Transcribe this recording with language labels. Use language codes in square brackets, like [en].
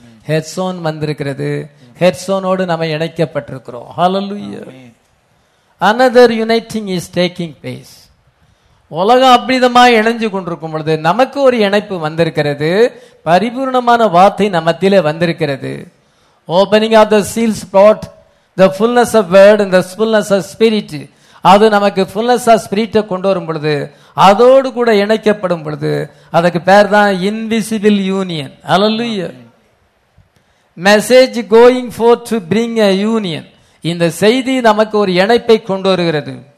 [ta] ஹெட்சோன் வந்திருக்கிறது, ஹெட்சோனோடு நம்ம இணைக்கப்பட்டிருக்கிறோம். ஹல்லேலூயா. [en] Another uniting is taking place. [ta] உலகம் அப்படிதமாக இணைஞ்சு கொண்டிருக்கும் பொழுது நமக்கு ஒரு இணைப்பு வந்திருக்கிறது. பரிபூர்ணமான வார்த்தை நமத்தில வந்திருக்கிறது. [en] Opening of the seals brought the fullness of word and the fullness of spirit. [ta] அது நமக்கு [en] fullness of spirit [ta] கொண்டு வரும் பொழுது, அதோடு கூட இணைக்கப்படும் பொழுது, அதுக்கு பேர் தான் invisible union. Hallelujah. [en] Message going forth to bring a union. [ta] இந்த செய்தி நமக்கு ஒரு இணைப்பை கொண்டு வருகிறது.